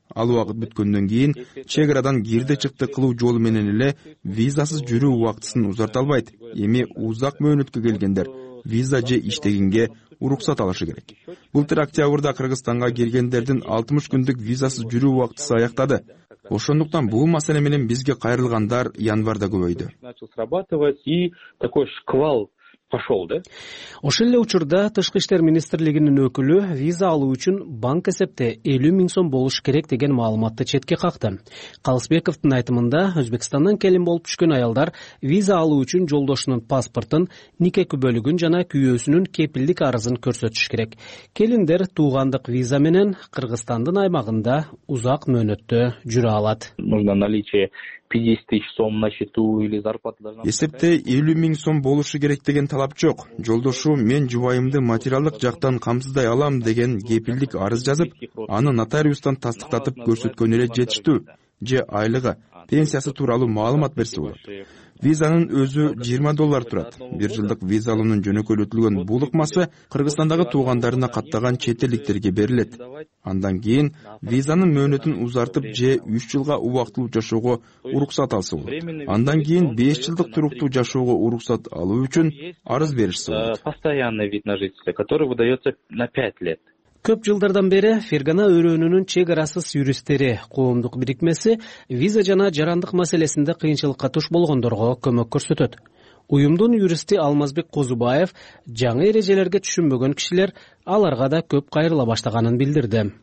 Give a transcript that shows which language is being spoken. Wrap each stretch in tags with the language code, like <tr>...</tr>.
<ky>Ал убакыт бүткөндөн кийин чек арадан кирди чыкты кылуу жолу менен эле визасыз жүрүү убактысын узарта албайт. Эми узак мөөнөткө келгендер виза же иштегенге уруксат алышы керек. Былтыр октябрда Кыргызстанга келгендердин 60 күндүк визасыз жүрүү убактысы аяктады. Ошондуктан бул маселе менен бизге кайрылгандар январда көбөйдү.</ky> <ru>Начал срабатывать и такой шквал пошел, да?</ru> <ky>Ошол эле учурда тышкы иштер министрлигинин өкүлү виза алуу үчүн банк эсепте 50 000 сом болуш керек деген маалыматты четке какты. Калысбековдун айтымында Өзбекстандан келин болуп түшкөн аялдар виза алуу үчүн жолдошунун паспортун, нике күбөлүгүн жана күйөөсүнүн кепилдик арызын көрсөтүш керек. Келиндер туугандык виза менен Кыргызстандын аймагында узак мөөнөттө жүрө алат.</ky> <ru>Нужно наличие 50 000 сом на счету или зарплата должна.</ru> <ky>Эсепте 50 000 сом болушу керек деген талап жок. Жолдошу мен жубайымды материалдык жактан камсыздай алам деген кепилдик арыз жазып, аны нотариустан тастыктатып көрсөткөн эле жетиштүү же айлыгы, пенсиясы тууралуу маалымат берсе болот. Визанын өзү 20 доллар турат. Бир жылдык визалуунун жөнөкөйлөтүлгөн булукмасы Кыргызстандагы туугандарына каттаган чет элдиктерге берилет. Андан кийин визанын мөөнөтүн узартып же 3 жылга убактылуу жашоого уруксат алса болот. Андан кийин 5 жылдык туруктуу жашоого уруксат алуу үчүн арыз беришсе болот.</ky> <ru>Постоянный вид на жительство, который выдается на 5 лет.</ru> <ky>Көп жылдардан бери Фергана өрөөнүнүн чек арасыз юристтери коомдук бирикмеси виза жана жарандык маселесинде кыйынчылыкка туш болгондорго көмөк көрсөтөт. Уюмдун юристи Алмазбек Козубаев жаңы эрежелерге түшүнбөгөн кишилер аларга да көп кайрыла баштаганын билдирди.</ky>